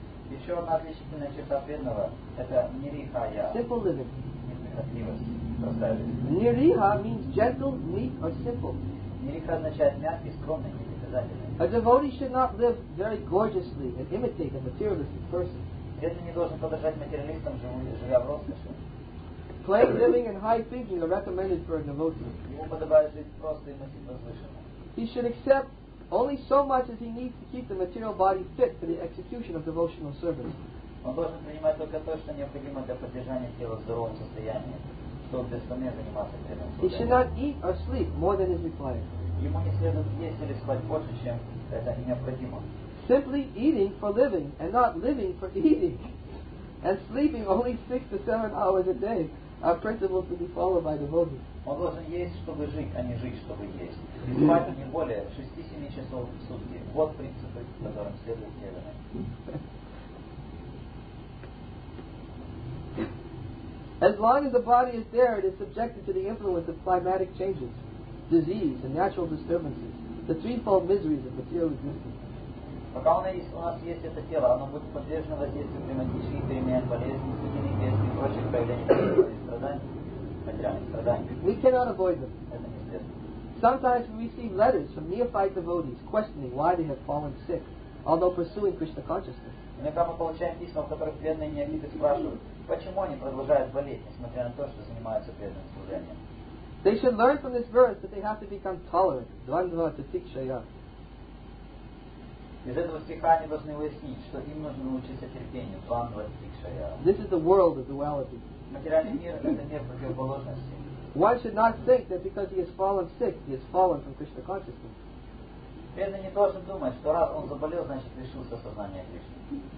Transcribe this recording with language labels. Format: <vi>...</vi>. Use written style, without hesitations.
<ru>Еще одна отличительная черта преданного – это нирихая.</ru> <en>Simple living.</en> <ru>Неприхотливость, простая жизнь.</ru> <en>Нириха means gentle, meek, or simple.</en> <ru>Нириха означает мягкий, скромный, непритязательный.</ru> <en>A devotee should not live very gorgeously and imitate a materialistic person.</en> <ru>Преданный не должен подражать материалистам, живя в роскоши.</ru> <en>Plain living and high thinking are recommended for a devotee.</en> <ru>Ему подобает жить просто и носить возвышенно.</ru> <en>He should accept only so much as he needs to keep the material body fit for the execution of devotional service.</en> <ru>Он должен принимать только то, что необходимо для поддержания тела в здоровом состоянии, чтобы без сомнения заниматься преданным служением.</ru> <en>He should not eat or sleep more than is required.</en> <ru>ему не следует есть или спать больше, чем это необходимо.</ru> <en>Simply eating for living and not living for eating and sleeping only 6 to 7 hours a day are principles to be followed by devotees.</en> <ru>Он должен есть, чтобы жить, а не жить, чтобы есть. И спать не более 6-7 часов в сутки. Вот принципы, которым следует следовать.</ru> <en>As long as the body is there, it is subjected to the influence of climatic changes, disease, and natural disturbances, the threefold miseries of material existence.</en> <ru>Пока у нас есть это тело, оно будет подвержено воздействию климатических перемен, болезней, стихийных бедствий и прочих проявлений материальных страданий.</ru> <en>We cannot avoid them.</en> <ru>Это неизбежно.</ru> <en>Sometimes we receive letters from neophyte devotees questioning why they have fallen sick, although pursuing Krishna consciousness.</en> <ru>Иногда мы получаем письма, в которых преданные неофиты спрашивают, почему они продолжают болеть, несмотря на то, что занимаются преданным служением.</ru> <en>They should learn from this verse that they have to become tolerant, dvandva tatikshaya.</en> <ru>Из этого стиха они должны выяснить, что им нужно научиться терпению, dvandva tatikshaya.</ru> <en>This is the world of duality.</en> <ru>Материальный мир — это мир противоположности.</ru> <en>One should not think that because he has fallen sick, he has fallen from Krishna consciousness.</en> <ru>Преданный не должен думать, что раз он заболел, значит лишился сознания Кришны.</ru>